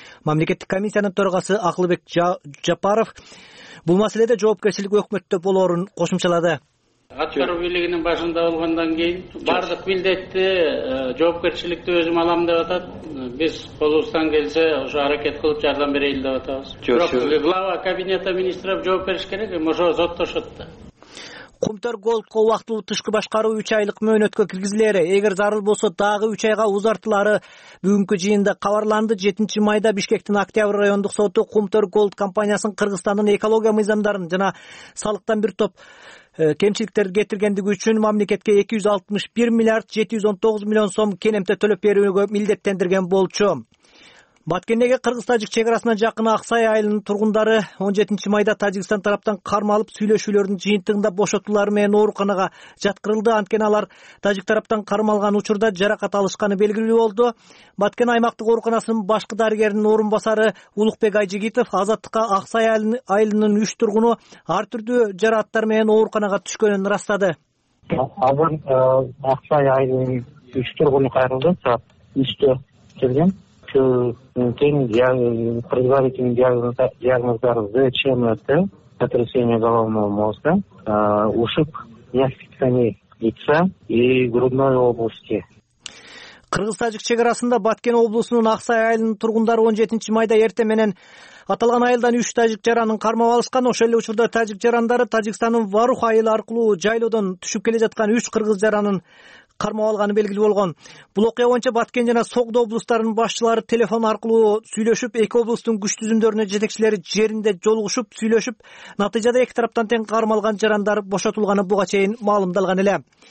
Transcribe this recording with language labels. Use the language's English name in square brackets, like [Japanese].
[Kyrgyz] Мамлекеттик комиссиянын төрагасы Акылбек Жапаров бул маселеде жоопкерчилик өкмөттө болорун кошумчалады. Аткаруу бийлигинин башында болгондон кийин баардык милдетти, жоопкерчиликти өзүм алам деп атат. Биз колубуздан келсе ошо аракет кылып жардам берейли деп атабыз. Бирок [Russian] глава кабинета министров [Kyrgyz] жоопкерчи керек, эми ошо соттошот да. Кумтөр голдко убактылуу тышкы башкаруу 3 айлык мөөнөткө киргизилери, эгер зарыл болсо дагы 3 айга узартылары бүгүнкү жыйында кабарланды. 7-майда Бишкектин Октябрь райондук соту Кумтөр голд компаниясын Кыргызстандын экология мыйзамдарын жана салыктан бир топ кемчиликтер кетиргендиги үчүн мамлекетке 261,719,000,000 сом кенемте төлөп берүүгө милдеттендирген болчу. Баткендеги кыргыз тажик чек арасына жакын Аксай айылынын тургундары 17-майда Тажикстан тараптан кармалып, сүйлөшүүлөрдүн жыйынтыгында бошотулары менен ооруканага жаткырылды. Анткени алар тажик тараптан кармалган учурда жаракат алышканы белгилүү болду. Баткен аймактык ооруканасынын башкы дарыгеринин орун басары Улукбек Айжигитов Азаттыкка Аксай айылынын 3 тургуну ар түрдүү жараттар менен ооруканага түшкөнүн ырастады. Азыр Аксай айылынын 3 тургуну кайрылды, саат 3:00 келген. [Russian] Предварительный диагноз ЗЧМ, сотрясение головного мозга, ушиб нескольких тканей лица и грудной области. [Kyrgyz] Кыргыз тажик чек арасында Баткен облусунун Аксай айылынын тургундары 17-майда эрте менен аталган айылдан 3 тажик жаранын кармап алышкан. Ошол эле учурда тажик жарандары Тажикстандын Варух айылы аркылуу жайлоодон түшүп келе жаткан 3 кыргыз жаранын кармап алганы белгилүү болгон. Бул окуя боюнча Баткен жана Согду облустарынын башчылары телефон аркылуу сүйлөшүп, эки облустун күч түзүмдөрүнө жетекчилери жеринде жолугушуп сүйлөшүп, натыйжада эки тараптан тең кармалган жарандар бошотулганы буга чейин маалымдалган эле.